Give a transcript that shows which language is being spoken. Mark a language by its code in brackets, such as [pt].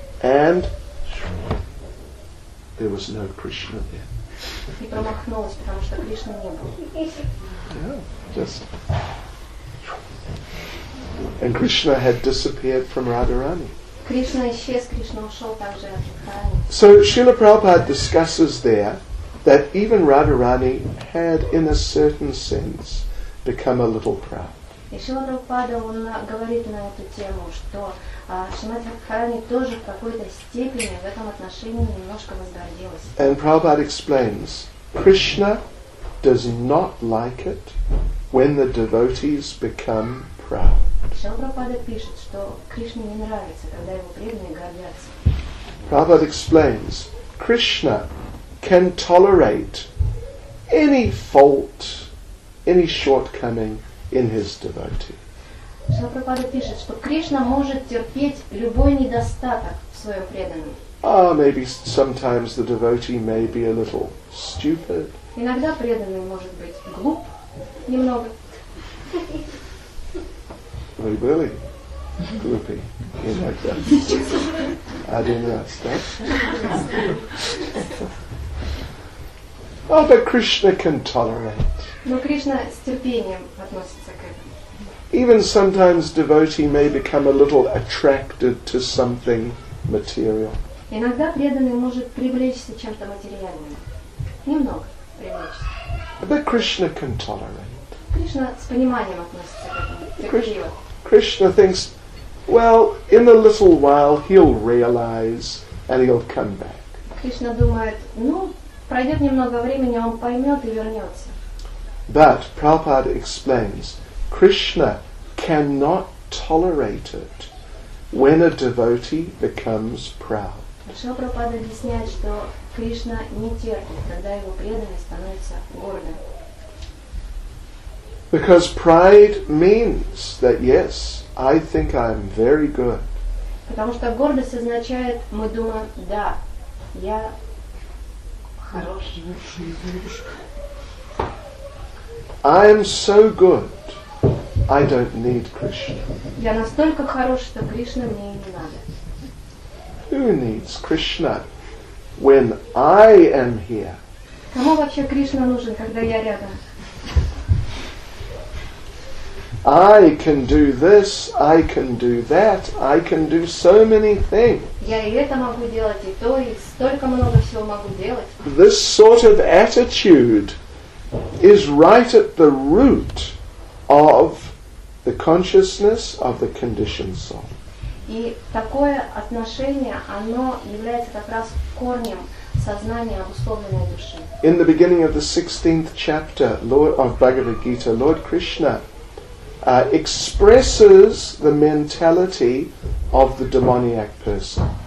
[en] And there was no Krishna there. [ru] И промахнулась, потому что Кришны не было. [en] Yeah, just. And Krishna had disappeared from Radharani. [ru] Кришна исчез, Кришна ушел также от Радхарани. [en] So Srila Prabhupada discusses there that even Radharani had, in a certain sense, become a little proud. [ru] И Шрила Прабхупада, он говорит на эту тему, что Шримати Радхарани тоже в какой-то степени в этом отношении немножко возгордилась. [en] And Prabhupada explains, Krishna does not like it when the devotees become proud. [ru] Шрила Прабхупада пишет, что Кришне не нравится, когда его преданные гордятся. [en] Prabhupada explains, Krishna can tolerate any fault, any shortcoming in his devotee. [ru] Шрила Прабхупада пишет, что Кришна может терпеть любой недостаток в своем преданном. [en] Ah, maybe sometimes the devotee may be a little stupid. [ru] Иногда преданный может быть глуп немного. Вы были глупы иногда. Один раз, да? [en] Oh, but Krishna can tolerate. [ru] Но Кришна с терпением относится к этому. [en] Even sometimes devotee may become a little attracted to something material. [ru] Иногда преданный может привлечься чем-то материальным. Немного привлечься. [en] But Krishna can tolerate. [ru] Кришна с пониманием относится к этому. Терпеливо. [en] Krishna thinks, well, in a little while he'll realize and he'll come back. [ru] Кришна думает, ну, пройдет немного времени, он поймет и вернется. [en] But Prabhupada explains, Krishna cannot tolerate it when a devotee becomes proud. [ru] Шрила Прабхупада объясняет, что Кришна не терпит, когда его преданный становится гордым. [en] Because pride means that yes, I think I'm very good. [ru] Потому что гордость означает, мы думаем, да, я хороший. [en] I am so good, I don't need Krishna. [ru] Я настолько хорош, что Кришна мне не надо. [en] Who needs Krishna when I am here? [ru] Кому вообще Кришна нужен, когда я рядом? [en] I can do this, I can do that, I can do so many things. [ru] Я и это могу делать, и то, и столько много всего могу делать. [en] This sort of attitude is right at the root of the consciousness of the conditioned soul. [ru] И такое отношение, оно является как раз корнем сознания обусловленной души. [en] In the beginning of the 16th chapter of Bhagavad Gita, Lord Krishna expresses the mentality of the demoniac person.